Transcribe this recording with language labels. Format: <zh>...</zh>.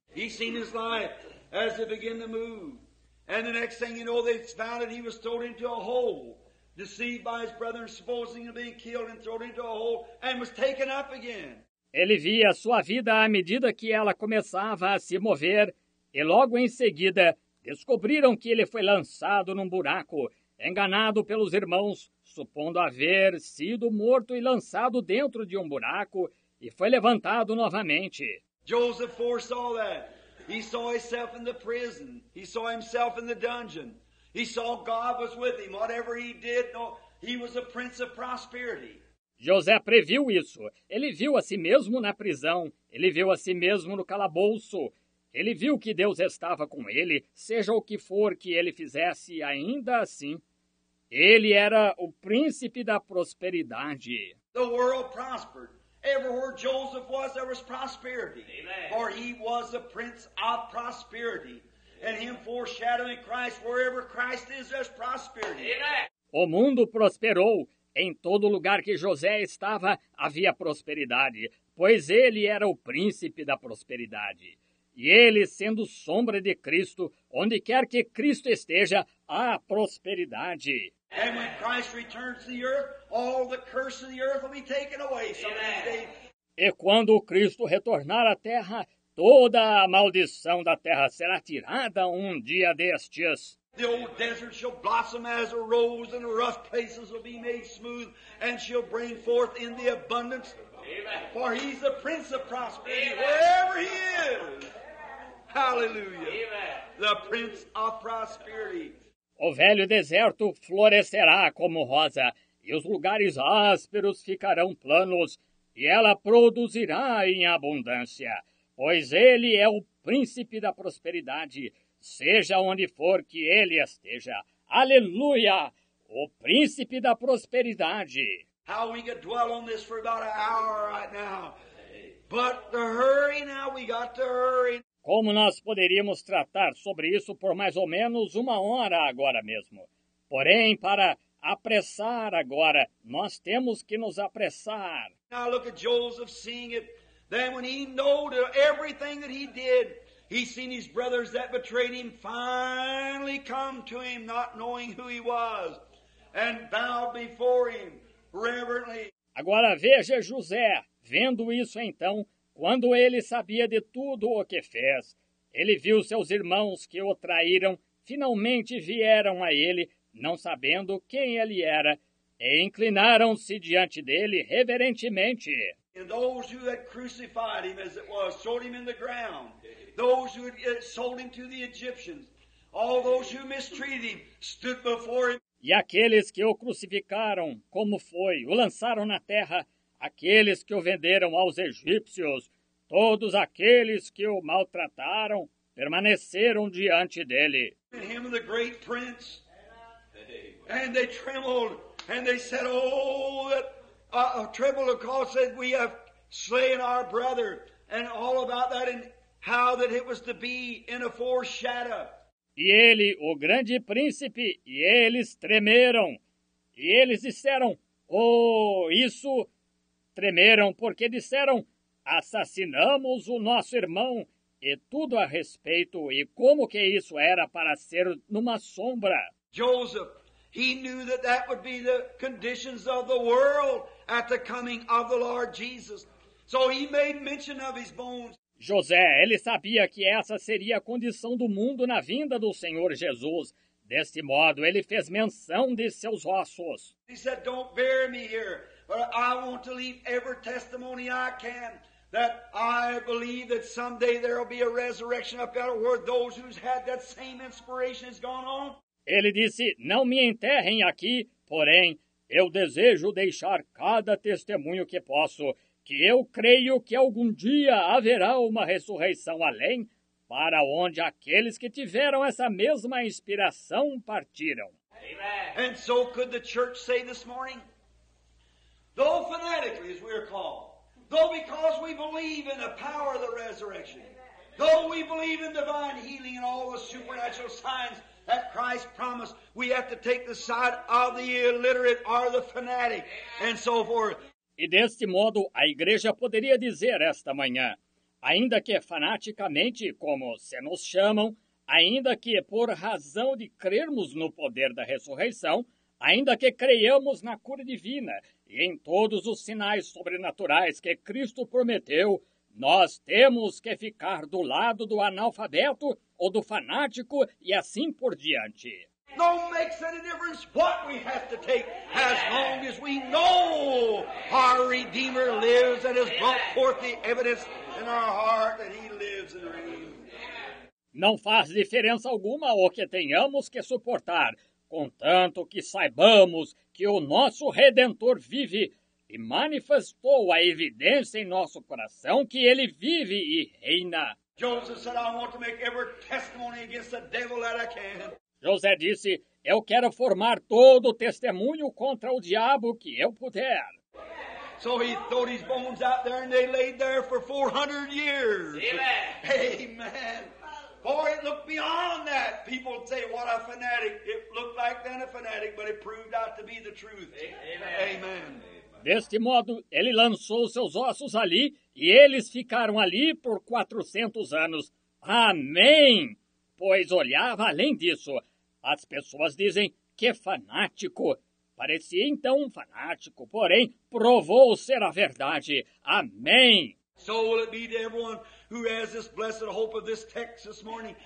<en>He seen his life as they begin to move. And the next thing you know, they found that he was thrown into a hole, deceived by his brethren, supposing to be killed and thrown into a hole, and was taken up again.</en> <pt>Ele via sua vida à medida que ela começava a se mover, e logo em seguida descobriram que ele foi lançado num buraco, enganado pelos irmãos, supondo haver sido morto e lançado dentro de um buraco, e foi levantado novamente.</pt> <en>Joseph foresaw that. He saw himself in the prison. He saw himself in the dungeon. He saw God was with him. Whatever he did, no, he was a prince of prosperity.</en> <pt>José previu isso. Ele viu a si mesmo na prisão. Ele viu a si mesmo no calabouço. Ele viu que Deus estava com ele, seja o que for que ele fizesse, ainda assim. Ele era o príncipe da prosperidade.</pt> <en>The world prospered. Everywhere Joseph was, there was prosperity. Amen. For he was a prince of prosperity. Amen. And him foreshadowing Christ, wherever Christ is, there's prosperity. Amen.</en> <pt>O mundo prosperou. Em todo lugar que José estava, havia prosperidade, pois ele era o príncipe da prosperidade. E ele, sendo sombra de Cristo, onde quer que Cristo esteja, há prosperidade.</pt> <en>And when Christ returns to the earth, all the curse of the earth will be taken away someday.</en> <pt>E quando Cristo retornar à terra, toda a maldição da terra será tirada um dia destes.</pt> <en>The old desert shall blossom as a rose, and the rough places will be made smooth, and she'll bring forth in the abundance. Amen. For he's the prince of prosperity. Amen. Wherever he is. Hallelujah. Amen. The prince of prosperity.</en> <pt>O velho deserto florescerá como rosa, e os lugares ásperos ficarão planos, e ela produzirá em abundância, pois ele é o príncipe da prosperidade, seja onde for que ele esteja. Aleluia! O príncipe da prosperidade.</pt> <en>How we could dwell on this for about an hour right now. But the hurry now, we got to hurry.</en> <pt>Como nós poderíamos tratar sobre isso por mais ou menos uma hora agora mesmo? Porém, para apressar agora, nós temos que nos apressar.</pt> <en>Now look at Joseph seeing it. Then when he knew everything that he did, he seen his brothers that betrayed him finally come to him, not knowing who he was, and bowed before him reverently.</en> <pt>Agora veja José, vendo isso então, quando ele sabia de tudo o que fez, ele viu seus irmãos que o traíram, finalmente vieram a ele, não sabendo quem ele era, e inclinaram-se diante dele reverentemente.</pt> <en>And those who had crucified him, as it was, sold him in the ground. Those who had sold him to the Egyptians. All those who mistreated him stood before him.</en> <pt>E aqueles que o crucificaram, como foi, o lançaram na terra, aqueles que o venderam aos egípcios, todos aqueles que o maltrataram, permaneceram diante dele.</pt> <en>Him, the great prince, and they trembled, and they said, oh, trembled of cause, said, we have slain our brother, and all about that, and how that it was to be in a foreshadow.</en> <pt>E ele, o grande príncipe, e eles tremeram, e eles disseram, oh, isso... Tremeram porque disseram, assassinamos o nosso irmão, e tudo a respeito, e como que isso era para ser numa sombra.</pt> <en>Joseph, he knew that that would be the conditions of the world at the coming of the Lord Jesus. So he made mention of his bones.</en> <pt>José, ele sabia que essa seria a condição do mundo na vinda do Senhor Jesus. Deste modo, ele fez menção de seus ossos.</pt> <en>He said, don't bury me here. But I want to leave every testimony I can that I believe that someday there will be a resurrection up there where those who's had that same inspiration has gone on.</en> <pt>Ele disse, não me enterrem aqui, porém, eu desejo deixar cada testemunho que posso, que eu creio que algum dia haverá uma ressurreição além, para onde aqueles que tiveram essa mesma inspiração partiram.</pt> <en>Amen. And so could the church say this morning? Though fanatically, as we are called, Though because we believe in the power of the resurrection, though we believe in divine healing and all the supernatural signs that Christ promised, we have to take the side of the illiterate or the fanatic, and so forth.</en> <pt>E deste modo, a igreja poderia dizer esta manhã, ainda que fanaticamente, como se nos chamam, ainda que por razão de crermos no poder da ressurreição, ainda que creiamos na cura divina e em todos os sinais sobrenaturais que Cristo prometeu, nós temos que ficar do lado do analfabeto ou do fanático e assim por diante.</pt> <en>Não makes any difference what we have to take, as long as we know our Redeemer lives and has brought forth the evidence in our heart that He lives and reigns.</en> <pt>Não faz diferença alguma o que tenhamos que suportar, contanto que saibamos que o nosso Redentor vive e manifestou a evidência em nosso coração que Ele vive e reina.</pt> <en>Joseph said, I want to make every testimony against the devil that I can.</en> <pt>José disse, eu quero formar todo o testemunho contra o diabo que eu puder.</pt> <en>So he threw his bones out there and they laid there for 400 years. Amen. Boy, it looked beyond that. People would say, what a fanatic. It looked like then a fanatic, but it proved out to be the truth. Amen.</en> <pt>Deste modo, ele lançou seus ossos ali e eles ficaram ali por 400 anos. Amém. Pois olhava além disso. As pessoas dizem que fanático. Parecia então um fanático, porém provou ser a verdade. Amém.</pt> <en>So will it be to everyone who has this blessed hope of this text this morning.</en>